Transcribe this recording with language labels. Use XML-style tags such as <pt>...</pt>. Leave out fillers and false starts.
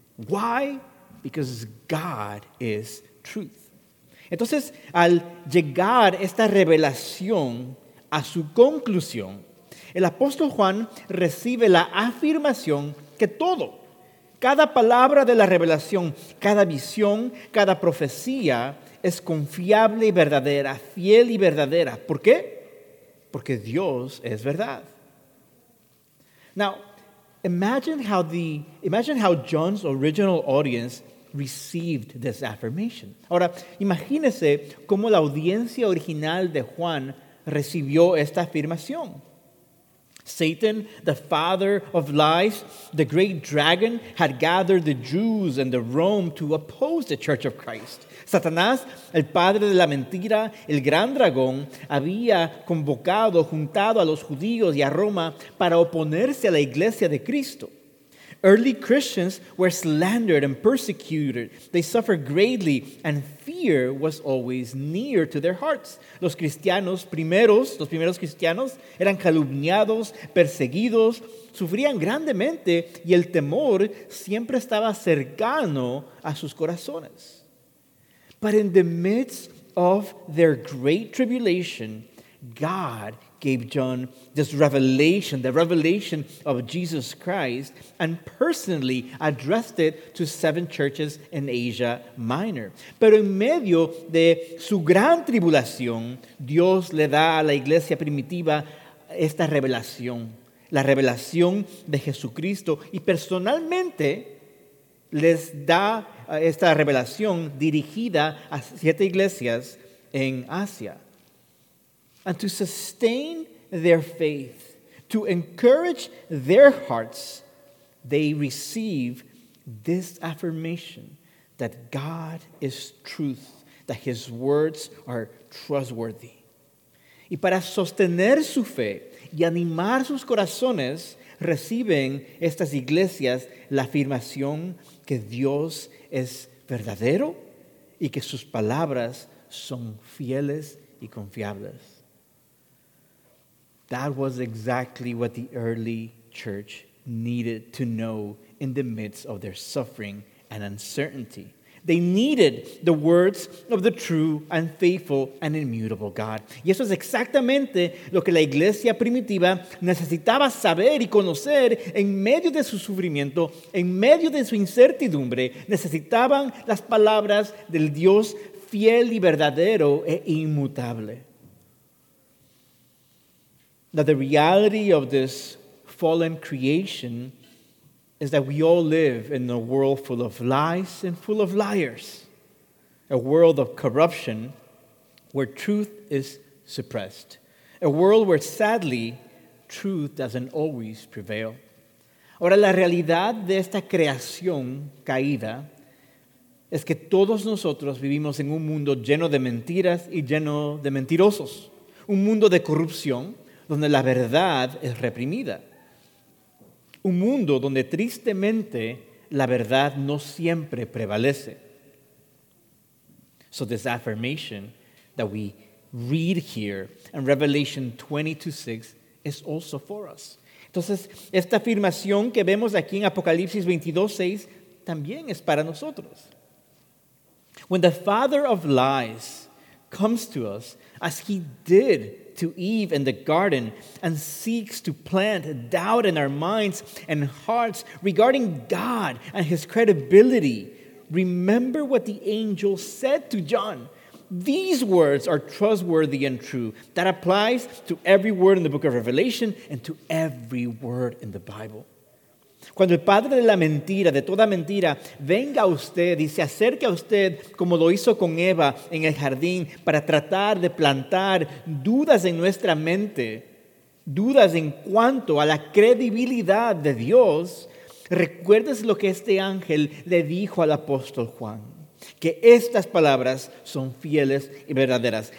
<en>Why? Because God is truth.</en> <es>Entonces, al llegar esta revelación a su conclusión, el apóstol Juan recibe la afirmación que todo, cada palabra de la revelación, cada visión, cada profecía, es confiable y verdadera, fiel y verdadera. ¿Por qué? Porque Dios es verdad.</es> <en>Now, imagine how John's original audience received this affirmation.</en> <es>Ahora, imagínese cómo la audiencia original de Juan recibió esta afirmación.</es> <en>Satan, the father of lies, the great dragon, had gathered the Jews and the Rome to oppose the Church of Christ.</en> <es>Satanás, el padre de la mentira, el gran dragón, había convocado, juntado a los judíos y a Roma para oponerse a la iglesia de Cristo.</es> <en>Early Christians were slandered and persecuted. They suffered greatly, and fear was always near to their hearts.</en> <es>Los primeros cristianos, eran calumniados, perseguidos, sufrían grandemente, y el temor siempre estaba cercano a sus corazones.</es> <en>But in the midst of their great tribulation, God gave John this revelation, the revelation of Jesus Christ, and personally addressed it to 7 churches in Asia Minor.</en> <es>Pero en medio de su gran tribulación, Dios le da a la iglesia primitiva esta revelación, la revelación de Jesucristo, y personalmente les da esta revelación dirigida a 7 iglesias en Asia.</es> <en>And to sustain their faith, to encourage their hearts, they receive this affirmation that God is truth, that His words are trustworthy.</en> <es>Y para sostener su fe y animar sus corazones, reciben estas iglesias la afirmación que Dios es verdadero y que sus palabras son fieles y confiables.</es> <en>That was exactly what the early church needed to know in the midst of their suffering and uncertainty. They needed the words of the true and faithful and immutable God.</en> <es>Y eso es exactamente lo que la iglesia primitiva necesitaba saber y conocer en medio de su sufrimiento, en medio de su incertidumbre. Necesitaban las palabras del Dios fiel y verdadero e inmutable.</es> <en>That the reality of this fallen creation is that we all live in a world full of lies and full of liars, a world of corruption where truth is suppressed, a world where sadly truth doesn't always prevail.</en> <es>Ahora, la realidad de esta creación caída es que todos nosotros vivimos en un mundo lleno de mentiras y lleno de mentirosos, un mundo de corrupción, donde la verdad es reprimida. Un mundo donde tristemente la verdad no siempre prevalece.</es> <en>So this affirmation that we read here in Revelation 22:6 is also for us.</en> <es>Entonces, esta afirmación que vemos aquí en Apocalipsis 22:6 también es para nosotros.</es> <en>When the father of lies comes to us, as he did to Eve in the garden and seeks to plant doubt in our minds and hearts regarding God and his credibility, remember what the angel said to John. These words are trustworthy and true. That applies to every word in the book of Revelation and to every word in the Bible.</en> <es>Cuando el padre de la mentira, de toda mentira, venga a usted y se acerque a usted como lo hizo con Eva en el jardín para tratar de plantar dudas en nuestra mente, dudas en cuanto a la credibilidad de Dios, recuerdes lo que este ángel le dijo al apóstol Juan, que estas palabras son fieles y verdaderas.</es>